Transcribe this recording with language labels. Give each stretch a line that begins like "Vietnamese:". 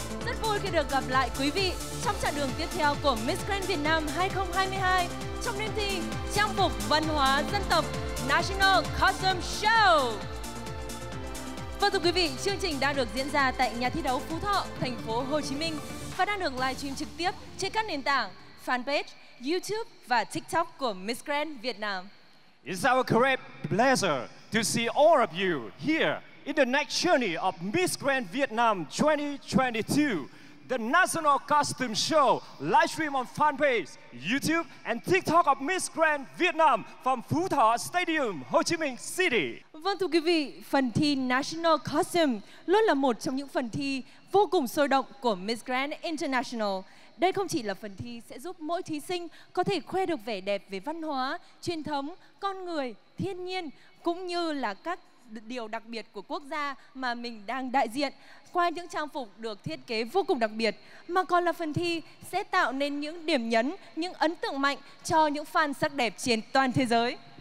Vietnamese: rất vui khi được gặp lại quý vị trong chặng đường tiếp theo của Miss Grand Việt Nam 2022 trong đêm thi trang phục văn hóa dân tộc National Costume Show. Vâng thưa quý vị, chương trình đang được diễn ra tại nhà thi đấu Phú Thọ, thành phố Hồ Chí Minh và đang được live stream trực tiếp trên các nền tảng fanpage, YouTube và TikTok của Miss Grand Việt Nam.
English: It's our great pleasure to see all of you here in the next journey of Miss Grand Vietnam 2022, the National Costume Show, live stream on fanpage, YouTube and TikTok of Miss Grand Vietnam from Phú Thọ Stadium, Ho Chi Minh City.
Vietnamese: Vâng thưa quý vị, phần thi National Costume luôn là một trong những phần thi vô cùng sôi động của Miss Grand International. Đây không chỉ là phần thi sẽ giúp mỗi thí sinh có thể khoe được vẻ đẹp về văn hóa, truyền thống, con người, thiên nhiên, cũng như là các điều đặc biệt của quốc gia mà mình đang đại diện qua những trang phục được thiết kế vô cùng đặc biệt, mà còn là phần thi sẽ tạo nên những điểm nhấn, những ấn tượng mạnh cho những fan sắc đẹp trên toàn thế giới.